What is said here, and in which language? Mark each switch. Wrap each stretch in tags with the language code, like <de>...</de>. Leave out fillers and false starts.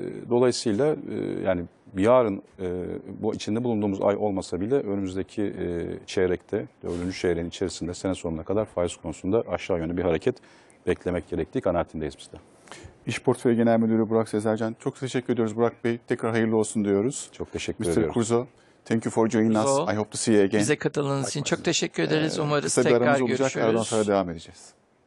<tr>Dolayısıyla yani yarın bu içinde bulunduğumuz ay olmasa bile önümüzdeki çeyrekte, 4. çeyreğin içerisinde sene sonuna kadar faiz konusunda aşağı yönlü bir hareket beklemek gerektiği kanaatindeyiz biz de. İş Portföy Genel Müdürü Burak Sezercan, çok teşekkür ediyoruz Burak Bey. Tekrar hayırlı olsun diyoruz. Çok teşekkür ediyorum.</tr> <en>Mr. Kurzo, thank you for joining us. I hope to see you again.</en> <tr>Bize katıldığınız için çok teşekkür ederiz. Umarız tekrar görüşürüz. Kısa bir aramız olacak. Ardından sonra devam edeceğiz.</tr>